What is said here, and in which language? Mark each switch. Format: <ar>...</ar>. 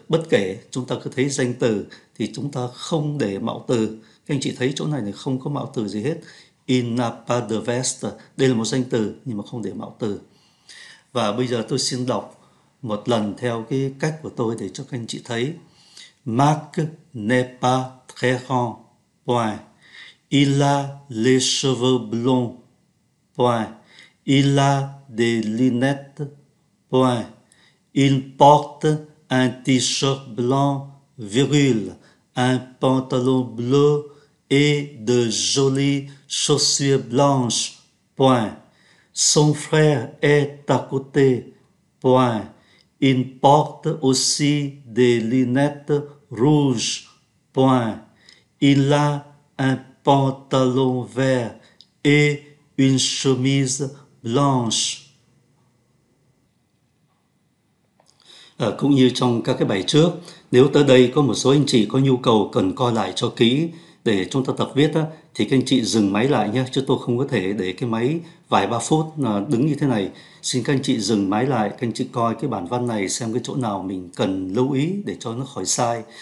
<vi>Bất kể chúng ta cứ thấy danh từ thì chúng ta không để mạo từ. Các anh chị thấy chỗ này không có mạo từ gì hết,</vi> <fr>in a pair of vest,</fr> <vi>đây là một danh từ nhưng mà không để mạo từ. Và bây giờ tôi xin đọc một lần theo cái cách của tôi để cho các anh chị thấy.</vi> <fr>Marc n'est pas très grand. Il a les cheveux blonds. Point. Il a des lunettes. Point. Il porte un t-shirt blanc, virgule, un pantalon bleu et de jolies chaussures blanches. Point. Son frère est à côté. Point. Il porte aussi des lunettes rouges. Point. Il a un pantalon vert et une chemise blanche.</fr> <vi>Cũng như trong các cái bài trước, nếu tới đây có một số anh chị có nhu cầu cần coi lại cho kỹ để chúng ta tập viết á, thì các anh chị dừng máy lại nhé, chứ tôi không có thể để cái máy vài ba phút đứng như thế này. Xin các anh chị dừng máy lại, các anh chị coi cái bản văn này xem cái chỗ nào mình cần lưu ý để cho nó khỏi sai.</vi>